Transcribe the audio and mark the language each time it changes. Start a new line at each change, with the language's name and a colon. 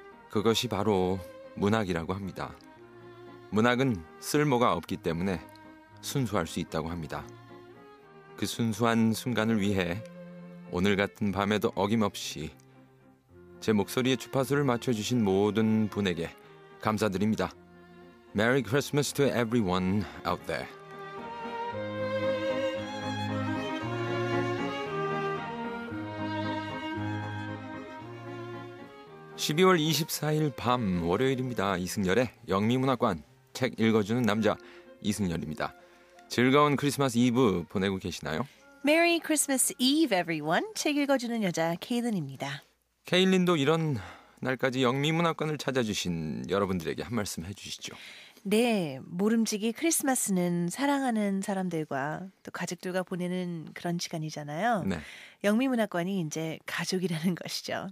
Korean: 그것이 바로 문학이라고 합니다. 문학은 쓸모가 없기 때문에 순수할 수 있다고 합니다. 그 순수한 순간을 위해 오늘 같은 밤에도 어김없이 제 목소리에 주파수를 맞춰주신 모든 분에게 감사드립니다.
English: Merry Christmas to everyone out there.
Korean: 12월 24일 밤 월요일입니다. 이승열의 영미문학관 책 읽어주는 남자 이승열입니다. 즐거운 크리스마스 이브 보내고 계시나요?
English: Merry Christmas Eve, everyone.
Korean: 책 읽어주는 여자 케일린입니다. 케일린도 이런 날까지 영미문학관을 찾아주신 여러분들에게 한 말씀 해주시죠. 네, 모름지기 크리스마스는 사랑하는 사람들과 또 가족들과 보내는 그런 시간이잖아요. 네. 영미문학관이 이제 가족이라는 것이죠.